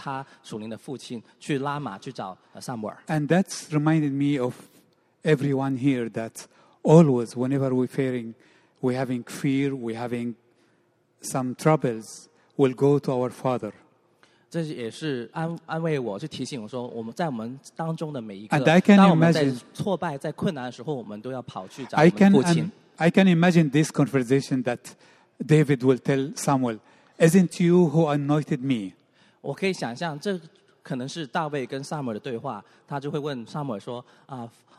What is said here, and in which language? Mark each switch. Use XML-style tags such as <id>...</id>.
<zh>这个年轻人大卫，我很感恩的看见他的见证是，当他无处可逃的时候，他就找他属灵的父亲去拉玛，去找撒母耳。</zh> <en>And that's reminded me of everyone here that always, whenever we're fearing, we're having fear, we're having some troubles, we'll go to our father.</en> <zh>这也是安慰我，去提醒我说，我们在我们当中的每一个，当我们在挫败、在困难的时候，我们都要跑去找我们的父亲。</zh> <en>I can imagine this conversation that David will tell Samuel, "Isn't you who anointed me?"</en> <zh>我可以想象，这可能是大卫跟撒母耳的对话，他就会问撒母耳说，啊。</zh>